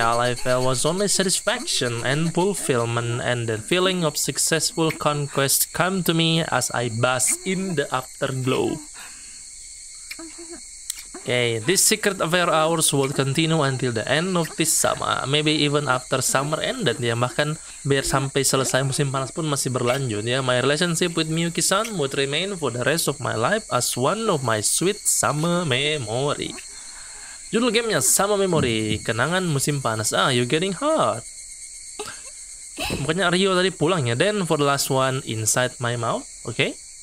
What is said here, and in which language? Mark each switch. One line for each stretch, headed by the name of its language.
English: All I felt was only satisfaction and fulfillment, and the feeling of successful conquest come to me as I bask in the afterglow. Okay, this secret affair hours will continue until the end of this summer. Maybe even after summer ended, ya.
Indonesian: Bahkan biar sampai selesai musim panas pun masih berlanjut, ya.
English: My relationship with Miyuki-san would remain for the rest of my life as one of my sweet summer memory.
Indonesian: Judul gamenya Summer Memory, kenangan musim panas.
English: Ah, you getting hot?
Indonesian: Bukannya Ryo tadi pulang, ya.
English: Then for the last one, inside my mouth, okay?